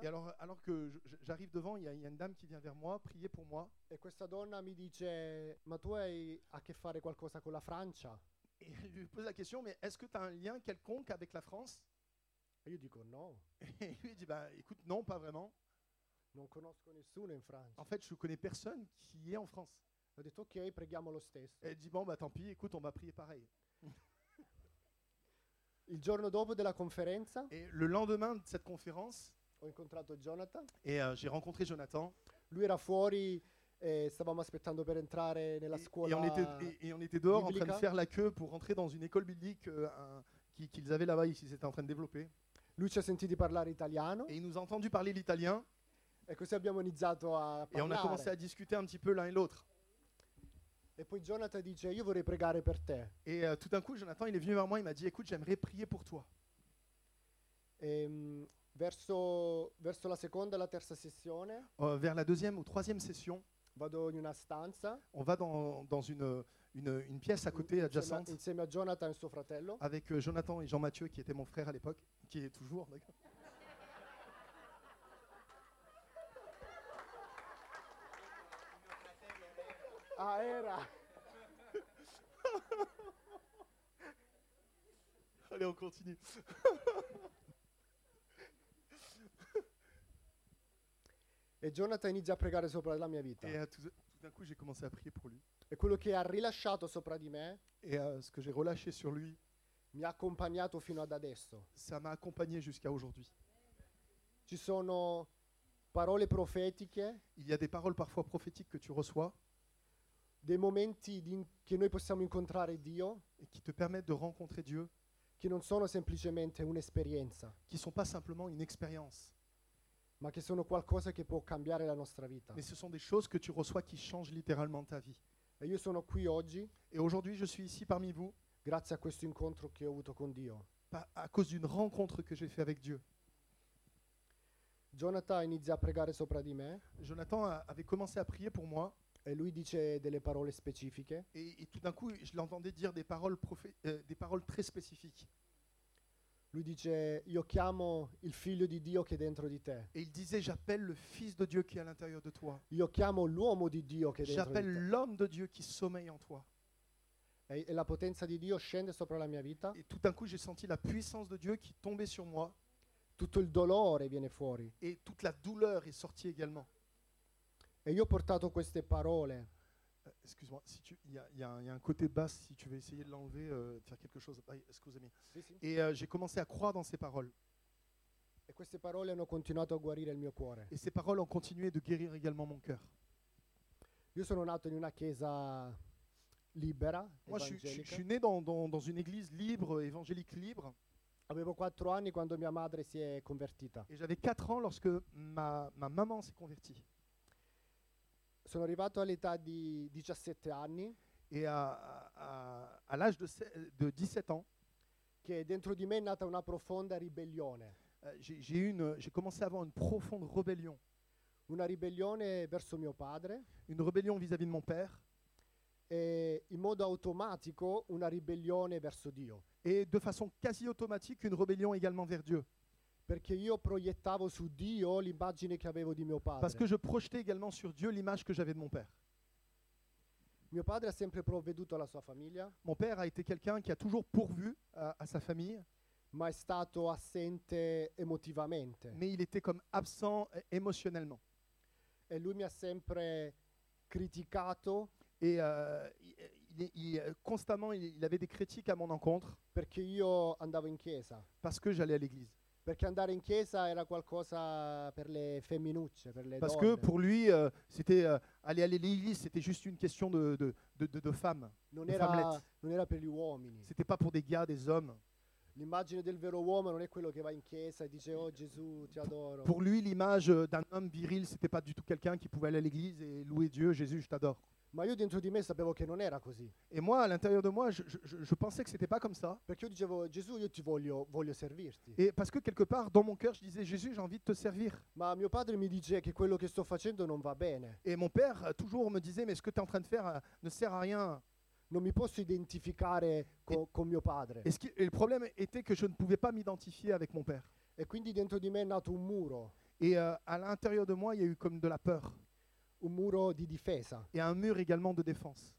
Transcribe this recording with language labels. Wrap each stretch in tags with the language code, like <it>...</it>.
<it>E allora, allora che</it> <fr>j'arrive devant, il y a une dame qui vient vers moi, prier pour moi.</fr> <it>E questa donna mi dice: ma tu hai a che fare qualcosa con la Francia?</it> <fr>E lui pose la question: mais est-ce que tu as un lien quelconque avec la France?</fr> <it>E io dico: no.</it> <fr>E lui dit: bah écoute, non, pas vraiment.</fr> <it>Non conosco nessuno in Francia.</it> <fr>En fait, je connais personne qui est en France.</fr> <it>Ho detto: ok, preghiamo lo stesso.</it> <fr>E dit: bon, bah tant pis, écoute, on va prier pareil.</fr> <it>Il giorno dopo della conferenza,</it> <fr>et le lendemain de cette conférence,</fr> <it>ho incontrato Jonathan.</it> <fr>Et j'ai rencontré Jonathan.</fr> <it>Lui era fuori e stavamo aspettando per entrare nella scuola.</it> <fr>Et on était dehors biblica. En train de faire la queue pour rentrer dans une école biblique qu'ils avaient là-bas, ici, c'était en train de développer.</fr> <it>Lui ci ha sentito parlare italiano.</it> <fr>Et il nous a entendu parler l'italien.</fr> <it>E così abbiamo iniziato a parlare.</it> <fr>Et on a commencé à discuter un petit peu l'un et l'autre.</fr> <it>E poi Jonathan dice: io vorrei pregare per te.</it> <fr>Et tout d'un coup, Jonathan, il est venu vers moi, il m'a dit: écoute, j'aimerais prier pour toi.</fr> <it>Verso la seconda e la terza sessione.</it> <fr>Vers la deuxième ou troisième session.</fr> <it>Vado in una stanza.</it> <fr>On va dans une pièce à côté, adjacente.</fr> <it>Insieme a Jonathan e suo fratello.</it> <fr>Avec Jonathan et Jean-Mathieu, qui était mon frère à l'époque, qui est toujours, d'accord.</fr> <it>Ah, era.</it> <fr>Allez, on continue.</fr> <it>E Jonathan inizia a pregare sopra la mia vita.</it> <fr>Et tout d'un coup, j'ai commencé à prier pour lui.</fr> <it>E quello che ha rilasciato sopra di me,</it> <fr>et ce que j'ai relâché sur lui,</fr> <it>mi ha accompagnato fino ad adesso.</it> <fr>Ça m'a accompagné jusqu'à aujourd'hui.</fr> <it>Ci sono parole profetiche.</it> <fr>Il y a des paroles parfois prophétiques que tu reçois.</fr> <it>Dei momenti che noi possiamo incontrare Dio,</it> <fr>qui te permettent de rencontrer Dieu,</fr> <it>che non sono semplicemente un'esperienza,</it> <fr>qui sont pas simplement une expérience,</fr> <it>ma che sono qualcosa che può cambiare la nostra vita.</it> <fr>Mais ce sont des choses que tu reçois qui changent littéralement ta vie.</fr> <it>E io sono qui oggi,</it> <fr>et aujourd'hui je suis ici parmi vous,</fr> <it>grazie a questo incontro che ho avuto con Dio,</it> <fr>à cause d'une rencontre que j'ai fait avec Dieu.</fr> <it>Jonathan inizia a pregare sopra di me.</it> <fr>Jonathan avait commencé à prier pour moi. Et lui disait des paroles spécifiques. Et tout d'un coup, je l'entendais dire des paroles très spécifiques.</fr> <it>Lui disait: io chiamo il figlio di Dio che è dentro di te.</it> <fr>Et il disait: j'appelle le fils de Dieu qui est à l'intérieur de toi.</fr> <it>Io chiamo l'uomo di Dio che è dentro.</it> <fr>J'appelle</fr> <it>di te.</it> <fr>L'homme de Dieu qui sommeille en toi.</fr> <it>Et la potenza di Dio scende sopra la mia vita.</it> <fr>Et tout d'un coup, j'ai senti la puissance de Dieu qui tombait sur moi.</fr> <it>Tutto il dolore viene fuori.</it> <fr>Et toute la douleur est sortie également.</fr> <it>E io ho portato queste parole.</it> <fr>Excuse-moi, si tu il y a un côté basse, si tu veux essayer de l'enlever, faire quelque chose. Excusez-moi. Et j'ai commencé à croire dans ces paroles.</fr> <it>E queste parole hanno continuato a guarire il mio cuore.</it> <fr>Et ces paroles ont continué de guérir également mon cœur.</fr> <it>Io sono nato in una chiesa libera, evangelica.</it> <fr>Moi je suis né dans une église libre, évangélique libre.</fr> <it>Avevo 4 anni quando mia madre si è convertita.</it> <fr>Et j'avais 4 ans lorsque ma maman s'est convertie.</fr> <it>Sono arrivato all'età di 17 anni.</it> <fr>Et à l'âge de 17 ans,</fr> <it>che dentro di me è nata una profonda ribellione.</it> <fr>J'ai commencé à avoir une profonde rébellion.</fr> <it>Una ribellione verso mio padre.</it> <fr>Une rébellion vis-à-vis de mon père.</fr> <it>E in modo automatico una ribellione verso Dio.</it> <fr>Et de façon quasi automatique, une rébellion également vers Dieu.</fr> <it>Perché io proiettavo su Dio l'immagine che avevo di mio padre.</it> <fr>Parce que je projetais également sur Dieu l'image que j'avais de mon père.</fr> <it>Mio padre ha sempre provveduto alla sua famiglia.</it> <fr>Mon père a été quelqu'un qui a toujours pourvu à sa famille.</fr> <it>Ma è stato assente emotivamente.</it> <fr>Mais il était comme absent émotionnellement.</fr> <it>E lui mi ha sempre criticato.</it> <fr>Et il avait des critiques à mon encontre.</fr> <it>Perché io andavo in chiesa.</it> <fr>Parce que j'allais à l'église.</fr> <it>Perché andare in chiesa era qualcosa per le femminucce, per le donne.</it> <fr>Parce que pour lui, c'était aller à l'église, c'était juste une question de femme.</fr> <it>Non era per gli uomini.</it> <fr>C'était pas pour des gars, des hommes.</fr> <it>L'immagine del vero uomo non è quello che va in chiesa e dice: oh Gesù, ti adoro.</it> <fr>Pour lui, l'image d'un homme viril, c'était pas du tout quelqu'un qui pouvait aller à l'église et louer Dieu: Jésus, je t'adore.</fr> <it>Ma io dentro di me sapevo che non era così.</it> <fr>Et moi, à l'intérieur de moi, je pensais que c'était pas comme ça.</fr> <it>Perché io dicevo: Gesù, io ti voglio servirti.</it> <fr>Et parce que quelque part dans mon cœur, je disais: Jésus, j'ai envie de te servir.</fr> <it>Ma mio padre mi diceva che quello che sto facendo non va bene.</it> <fr>Et mon père toujours me disait: mais ce que tu es en train de faire ne sert à rien.</fr> <it>Non mi posso identificare con mio padre.</it> <fr>Et le problème était que je ne pouvais pas m'identifier avec mon père.</fr> <it>Et quindi dentro di me è nato un muro.</it> <fr>Et à l'intérieur de moi, il y a eu comme de la peur.</fr> <it>Un muro di difesa.</it> <fr>Et un mur également de défense.</fr>